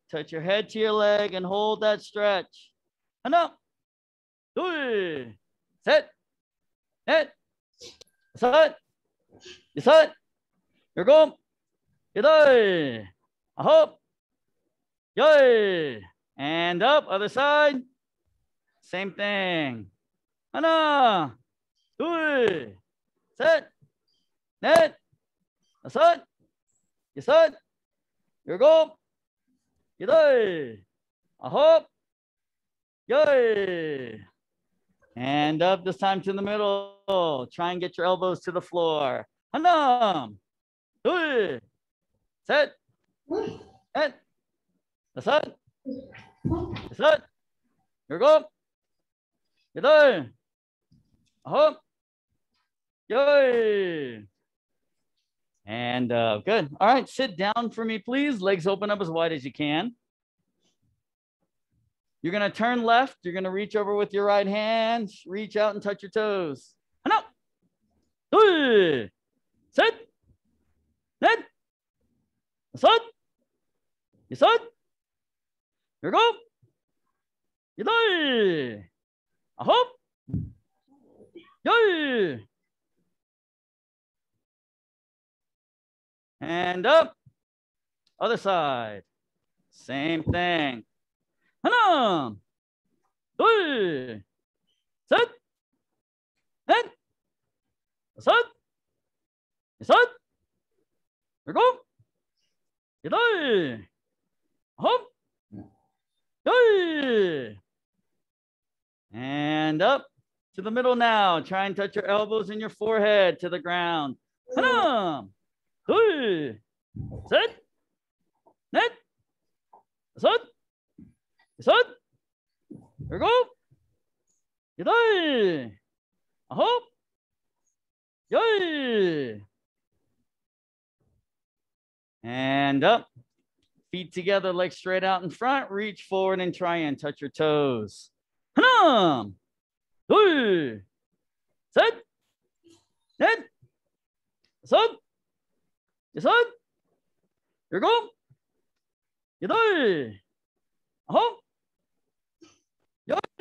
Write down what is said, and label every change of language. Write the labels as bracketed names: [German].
[English] Touch your head to your leg and hold that stretch. [Korean] 하나, 둘, 셋, 넷, 다섯, 여섯, 일곱, 여덟, 아홉, 열. [English] And up. Other side. Same thing. [Korean] 하나, 둘, 셋, 넷, 다섯, 여섯, 일곱, 여덟, 아홉, 열. [English] And up this time to the middle. Try and get your elbows to the floor. [Korean] 하나, 둘, 셋, 넷, 다섯, 여섯, 일곱, 여덟, 아홉, 열. [English] And good. All right, sit down for me, please. Legs open up as wide as you can. You're going to turn left. You're going to reach over with your right hand. Reach out and touch your toes. [Korean] 하나, 둘, 셋, 넷, 다섯, 여섯, 일곱, 여덟, 아홉, 열. [English] And up, other side, same thing. [Korean] 하나, 둘, 셋, 넷, 다섯, 여섯, 일곱, 여덟, 아홉, 열. [English] And up to the middle now. Try and touch your elbows and your forehead to the ground. [Korean] 하나, 둘, 셋, 넷, 다섯, 여섯, 일곱, 여덟, 아홉, 열. [English] And up. Feet together, legs straight out in front. Reach forward and try and touch your toes. [Korean] 하나, 둘, 셋, 넷, 다섯, 여섯, 일곱, 여덟, 아홉, 열.